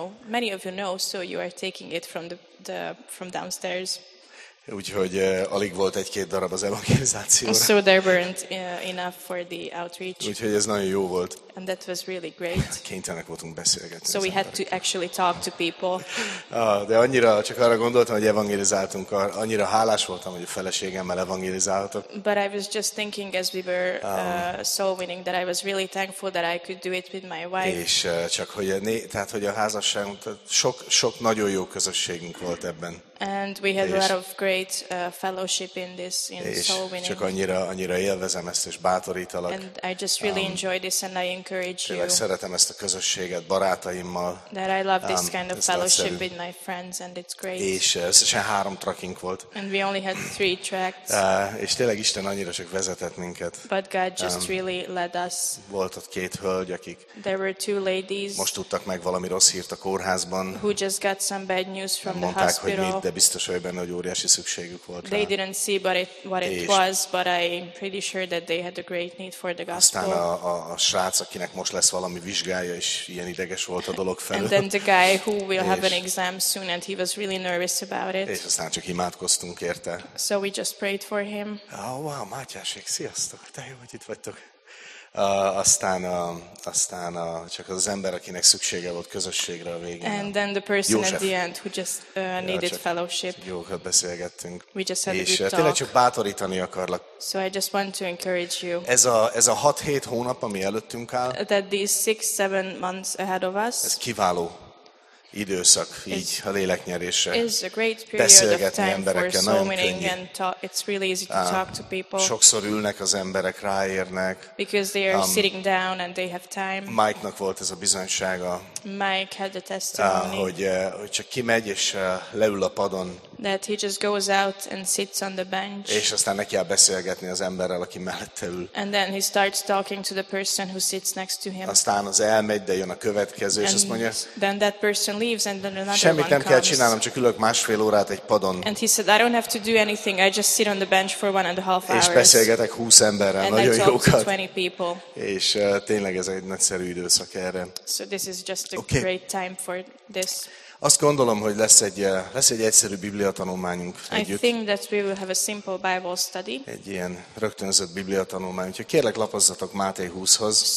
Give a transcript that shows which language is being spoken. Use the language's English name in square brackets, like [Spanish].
[English] Many of you know, so you are taking it from from downstairs. [Hungarian] Úgyhogy alig volt egy-két darab az evangelizációra. [English] So there weren't enough for the outreach. [Hungarian] Úgyhogy ez nagyon jó volt. [English] And that was really great. [Hungarian] Kénytelenek voltunk beszélgetni. [English] So we had to actually talk to people. [Hungarian] De annyira, csak arra gondoltam, hogy evangelizáltunk, annyira hálás voltam, hogy a feleségemmel evangelizáltak. [English] But I was just thinking as we were soul winning that I was really thankful that I could do it with my wife. [Hungarian] És csak hogy tehát hogy a házasság, sok nagyon jó közösségünk volt ebben. [English] And we had a lot of great fellowship in this in soul winning. [Hungarian] Csak annyira élvezem ezt és bátorítalak. [English] And I just really enjoy this and I encourage you. [Hungarian] Tényleg szeretem ezt a közösséget barátaimmal. [English] That I love this kind of fellowship with my friends and it's great. [Hungarian] És összesen 3 trackünk volt. [English] And we only had 3 tracks. [Hungarian] És tényleg Isten annyira csak vezetett minket. [English] But God just really led us. [Hungarian] Volt ott 2 hölgy, akik. [English] There were 2 ladies. [Hungarian] Most tudtak meg valami rossz hírt a kórházban. [English] Who just got some bad news from [Hungarian] mondták, [English] the hospital. [Hungarian] De biztos vagy benne, hogy óriási szükségük volt. [English] They didn't see what it was, but I'm pretty sure that they had a great need for the gospel. [Hungarian] Aztán a srác, akinek most lesz valami vizsgája, és ilyen ideges volt a dolog felől. [English] And then the guy who will have an exam soon, and he was really nervous about it. [Hungarian] És aztán csak imádkoztunk érte. [English] So we just prayed for him. [Hungarian] Oh, wow, Mátyásék, sziasztok, te jó, hogy itt vagytok. Aztán csak az ember, akinek szüksége volt közösségre a végén. [English] And then the person at the end who just needed fellowship. [Hungarian] Jókat beszélgettünk. [English] We just had a good [Hungarian] talk. És tényleg csak bátorítani akarlak. [English] So I just want to encourage you. [Hungarian] Ez a 6-7 hónap, ami előttünk áll. [English] That these 6-7 months ahead of us. [Hungarian] Ez kiváló időszak, így a léleknyerésre. [English] It's a great period [Hungarian] beszélgetni [English] of time [Hungarian] emberekkel, [English] for soul winning and talk. It's really easy to talk to people. [Hungarian] Sokszor ülnek az emberek, ráérnek. [English] Because they are sitting down and they have time. [Hungarian] Mike-nak volt ez a bizonysága. [English] Mike had a testimony. [Hungarian] Hogy csak kimegy és leül a padon. [English] That he just goes out and sits on the bench. [Hungarian] És aztán neki áll beszélgetni az emberrel, aki mellette ül. [English] And then he starts talking to the person who sits next to him. [Hungarian] Aztán az elmegy, de jön a következő, és azt mondja. [English] Then that person leaves and then another one comes. [Hungarian] Semmit nem kell csinálnom, csak ülök másfél órát egy padon. [English] And he said, I don't have to do anything, I just sit on the bench for 1.5 hours. [Hungarian] És beszélgetek 20 emberrel, [English] and [Hungarian] nagyon jókat. [English] And I talk to 20 people. [Hungarian] És tényleg ez egy nagyszerű időszak erre. [English] So this is just a okay. Great time for this. [Hungarian] Azt gondolom, hogy lesz egy egyszerű bibliatanulmányunk együtt. [English] I think that we will have a simple Bible study. [Hungarian] Egy ilyen rögtönzött bibliatanulmány. Úgyhogy kérlek, lapozzatok Máté 20-hoz.